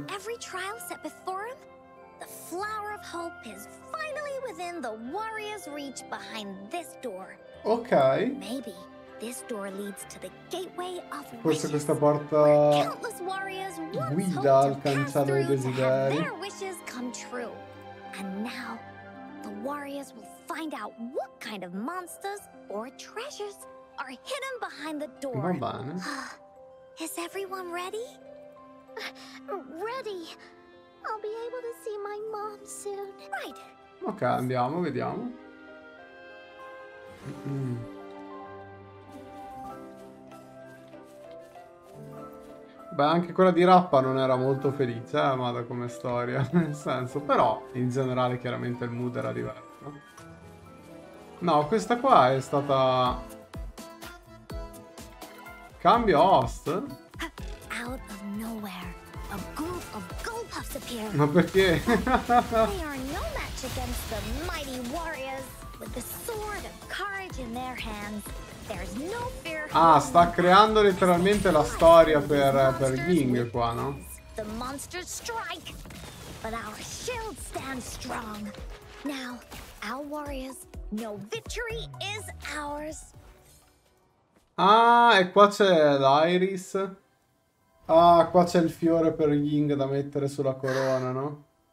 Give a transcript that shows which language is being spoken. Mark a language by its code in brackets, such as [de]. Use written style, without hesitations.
[en] Every trial set before him, the flower of hope is finally within the warrior's reach behind this door. Ok. Maybe this door leads to the gateway of wishes. [it] Forse questa porta guida al cancello dei desideri. [en] Their wishes come true. And now the warriors will find out what kind of monsters or treasures are hidden behind the door. [it] Va bene. [en] Is everyone ready? Ready. I'll be able to see my mom soon. Right. [it] Ok, andiamo, vediamo. Beh, anche quella di Rappa non era molto felice, ma da come storia, nel senso. Però, in generale, chiaramente il mood era diverso. No, questa qua è stata... Cambio host? [en] Out of nowhere, a group of Gullpuffs appear. [it] Ma perché? [en] They are no match against the mighty warriors with the sword of courage in their hands. There's no fear. [it] Ah, sta creando letteralmente la storia per Ying qua, no? [en] The monsters strike, but our shield stands strong. Now, our warriors know victory is ours. [it] Ah, e qua c'è l'Iris. Ah, qua c'è il fiore per Ying da mettere sulla corona, no?